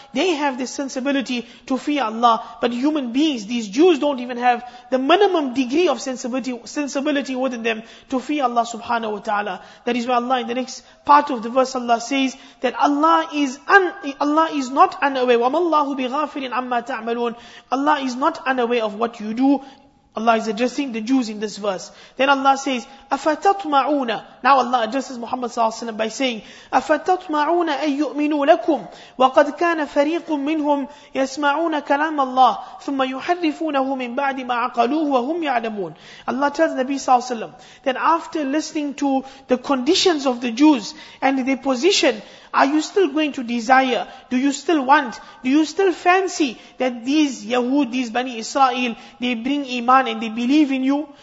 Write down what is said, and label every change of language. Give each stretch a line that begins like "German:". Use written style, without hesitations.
English: They have this sensibility to fear Allah. But human beings, these Jews, don't even have the minimum degree of sensibility within them to fear Allah subhanahu wa ta'ala. That is why Allah in the next part of the verse, Allah says that Allah is not unaware.
Arabic: وَمَا اللَّهُ بِغَافِرٍ عَمَّا تَعْمَلُونَ.
English: Allah is not unaware of what you do. Allah is addressing the Jews in this verse. Then Allah says,
Arabic: أَفَتَطْمَعُونَ.
English: Now Allah addresses Muhammad sallallahu alaihi wasallam by saying,
Arabic: أَفَتَطْمَعُونَ أَن يُؤْمِنُوا لَكُمْ وَقَدْ كَانَ فَرِيقٌ مِّنْهُمْ يَسْمَعُونَ كَلَامَ اللَّهِ ثُمَّ يُحَرِّفُونَهُ مِنْ بَعْدِ مَا عَقَلُوهُ وَهُمْ يَعْلَمُونَ.
English: Allah tells Nabi sallallahu alaihi wasallam that after listening to the conditions of the Jews and their position, are you still going to desire? Do you still want? Do you still fancy that these Yahud, these Bani Israel, they bring Iman and they believe in you?